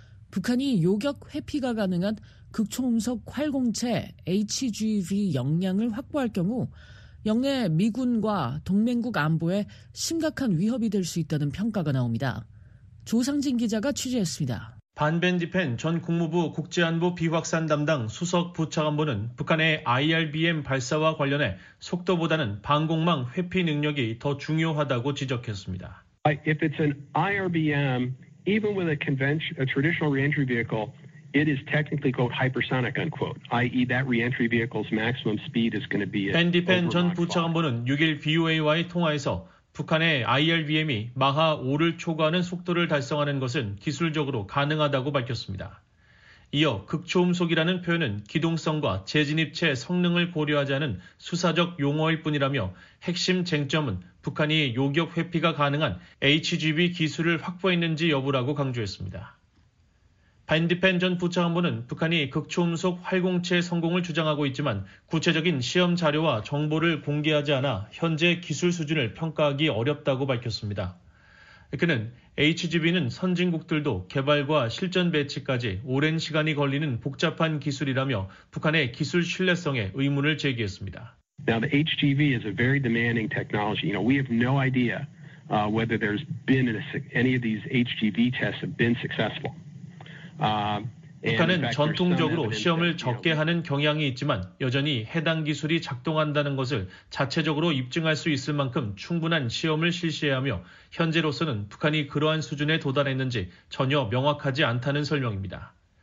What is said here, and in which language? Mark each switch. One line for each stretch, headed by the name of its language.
Korean: 북한이 요격 회피가 가능한 극초음속 활공체 HGV 역량을 확보할 경우 영내 미군과 동맹국 안보에 심각한 위협이 될 수 있다는 평가가 나옵니다. 조상진 기자가 취재했습니다. 반벤디펜 전 국무부 국제안보 비확산 담당 수석 부차관보는 북한의 IRBM 발사와 관련해 속도보다는 방공망 회피 능력이 더 중요하다고 지적했습니다.
English: If it's an IRBM, even with a traditional re-entry vehicle, it is technically quote hypersonic unquote, i.e. that re-entry vehicle's maximum speed is going to be.
Korean: 밴디펜 전 부차관보는 6일 VOA와의 통화에서 북한의 IRBM이 마하 5를 초과하는 속도를 달성하는 것은 기술적으로 가능하다고 밝혔습니다. 이어 극초음속이라는 표현은 기동성과 재진입체 성능을 고려하지 않은 수사적 용어일 뿐이라며 핵심 쟁점은 북한이 요격 회피가 가능한 HGV 기술을 확보했는지 여부라고 강조했습니다. 밴디펜 전 부차관보는 북한이 극초음속 활공체 성공을 주장하고 있지만 구체적인 시험 자료와 정보를 공개하지 않아 현재 기술 수준을 평가하기 어렵다고 밝혔습니다. 그는 HGV는 선진국들도 개발과 실전 배치까지 오랜 시간이 걸리는 복잡한 기술이라며 북한의 기술 신뢰성에 의문을 제기했습니다.
English: Now the HGV is a very demanding technology. You know, we have no idea whether there's been any of these HGV tests have been successful.
Korean: 북한은 전통적으로 시험을 적게 하는 경향이 있지만 여전히 해당 기술이 작동한다는 것을 자체적으로 입증할 수 있을 만큼 충분한 시험을 실시해야 하며 현재로서는 북한이 그러한 수준에 도달했는지 전혀 명확하지 않다는 설명입니다.